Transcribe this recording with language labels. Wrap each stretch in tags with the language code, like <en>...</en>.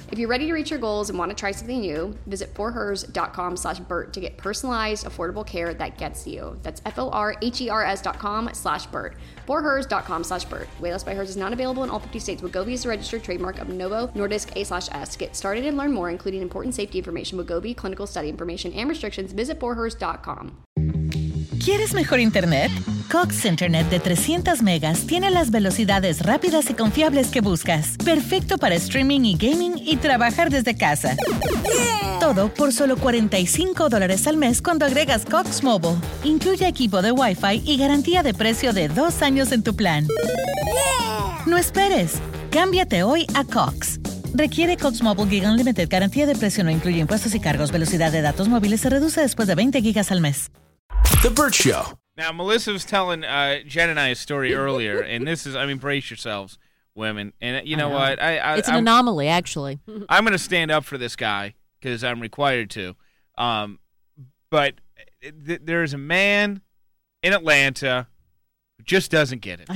<en>If you're ready to reach your goals and want to try something new, visit forhers.com/Bert to get personalized, affordable care that gets you. That's forhers.com/Bert. Forhers.com/Bert. Weight Loss by Hers is not available in all 50 states. Wegovy is a registered trademark of Novo Nordisk A/S. Get started and learn more, including important safety information, Wegovy clinical study information and restrictions. Visit forhers.com.</en> <es>¿Quieres mejor internet? Cox Internet de 300 megas tiene las velocidades rápidas y confiables que buscas. Perfecto para streaming y gaming y trabajar desde casa.</es> <en>Yeah.</en> <es>Todo por solo $45 al mes cuando agregas Cox Mobile. Incluye equipo de Wi-Fi y garantía de precio de 2 años en tu plan.</es> <en>Yeah.</en> <es>No esperes. Cámbiate hoy a Cox. Requiere Cox Mobile Gig Unlimited. Garantía de precio no incluye impuestos y cargos. Velocidad de datos móviles se reduce después de 20 gigas al mes.</es> <en>The Bert Show. Now, Melissa was telling Jen and I a story earlier, and this is, I mean, brace yourselves, women. And you know what? It's an anomaly, actually. I'm going to stand up for this guy because I'm required to. But there is a man in Atlanta who just doesn't get it.</en>